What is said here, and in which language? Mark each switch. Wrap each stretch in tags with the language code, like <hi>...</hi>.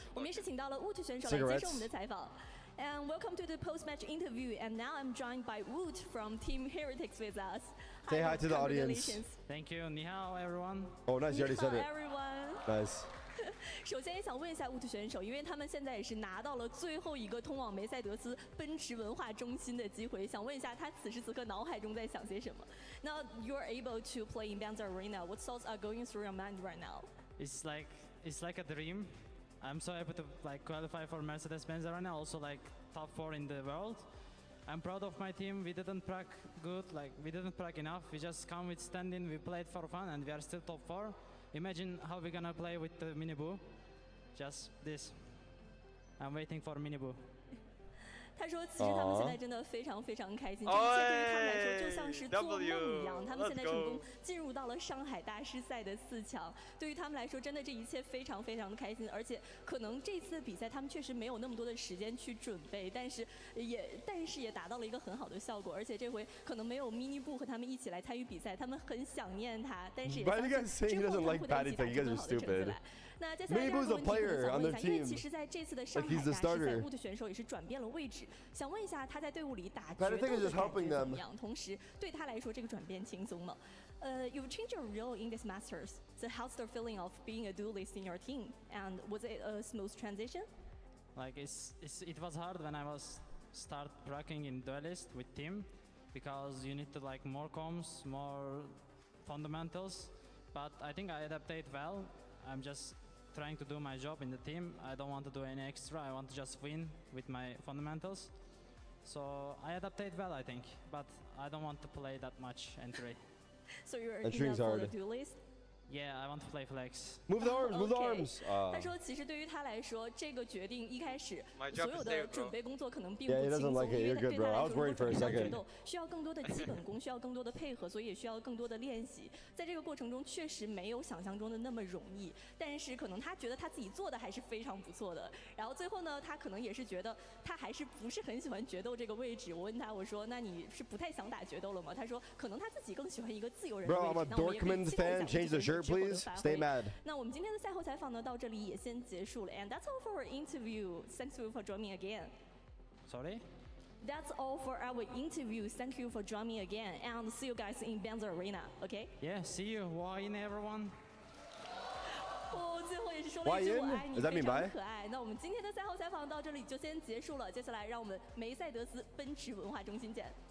<zh>我们也是请到了 Woot 选手来接受我们的采访。</zh> <en>And welcome to the post-match interview. And now I'm joined by Woot from Team Heretics with us. Say hi to the audience. Thank you.</en> <zh>你好</zh> <en>everyone. Oh, nice. You already said it. Everyone. Nice.</en> <zh>首先也想问一下 Woot 选手，因为他们现在也是拿到了最后一个通往梅赛德斯奔驰文化中心的机会，想问一下他此时此刻脑海中在想些什么。</zh> <en>Now you're able to play in Benz Arena. What thoughts are going through your mind right now? It's like a dream. I'm so happy to like qualify for Mercedes-Benz Arena, also like top four in the world. I'm proud of my team. We didn't prac good, like we didn't prac enough. We just come with standing, we played for fun and we are still top four. Imagine how we're gonna play with the Minibu. Just this. I'm waiting for Minibu.</en> <zh>他说其实他们现在真的非常非常开心，这一切对于他们来说就像是做梦一样，他们现在成功进入到了上海大师赛的四强，对于他们来说真的这一切非常非常的开心。而且可能这次比赛他们确实没有那么多的时间去准备，但是也达到了一个很好的效果。而且这回可能没有 mini boo 和他们一起来参与比赛，他们很想念他，但是也相信之后能会在一起打出更好的成绩来。那接下来第二个问题我想问一下，因为其实在这次的上海大师赛 Woot 选手也是转变了位置，想问一下他在队伍里打决斗的感觉怎么样，同时对他来说这个转变轻松吗？</zh> <en>You've changed your role in this Masters. So how's the feeling of being a duelist in your team? And was it a smooth transition? Like it was hard when I was start practicing in duelist with team because you need to like more comms, more fundamentals. But I think I adapted well. I'm just... trying to do my job in the team. I don't want to do any extra. I want to just win with my fundamentals. So I adapted well, I think. But I don't want to play that much entry. So you're entering for the duelist? Yeah, I want to play flex. Move the arms, move the arms.</en> <zh>他说其实对于他来说这个决定一开始所有的准备工作可能并不轻松，因为对他来说如果准备决斗需要更多的基本功，需要更多的配合，所以也需要更多的练习。在这个过程中确实没有想象中的那么容易，但是可能他觉得他自己做的还是非常不错的。然后最后呢，他可能也是觉得他还是不是很喜欢决斗这个位置。我问他，我说那你是不太想打决斗了吗？他说可能他自己更喜欢一个自由人的位置。那我们也可以期待一下</zh> <en>Please stay mad.</en> <zh>那我们今天的赛后采访呢，到这里也先结束了。</zh> <en>And that's all for our interview. Thanks for joining me again. Sorry? That's all for our interview. Thank you for joining me again. And see you guys in Benz Arena, okay? Yeah, see you. Why in everyone?</en> <zh>最后也是说了一句我爱你，非常可爱。那我们今天的赛后采访到这里就先结束了。接下来让我们梅赛德斯奔驰文化中心见。</zh>